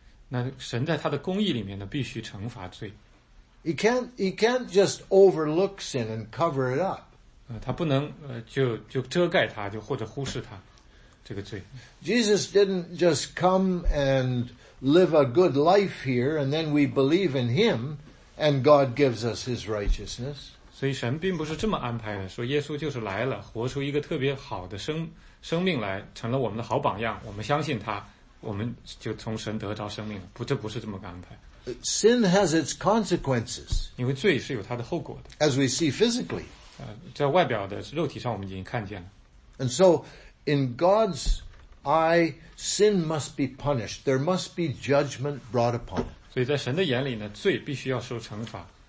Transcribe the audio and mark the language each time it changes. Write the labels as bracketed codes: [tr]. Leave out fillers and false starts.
[zh] 那神在他的公义里面呢，必须惩罚罪。 [en] He can't just overlook sin and cover it up. [zh] 他不能就遮盖他，就或者忽视他这个罪。 [en] Jesus didn't just come and live a good life here, and then we believe in Him, and God gives us His righteousness. [zh] 所以神并不是这么安排的，说耶稣就是来了，活出一个特别好的生命来，成了我们的好榜样，我们相信他，我们就从神得着生命了。不，这不是这么个安排。 [en] Sin has its consequences. [zh] 因为罪是有它的后果的。 [en] As we see physically. [zh] 在外表的肉体上我们已经看见了。 [en] And so, in God's eye, sin must be punished. There must be judgment brought upon it. [zh] 所以在神的眼里呢，罪必须要受惩罚。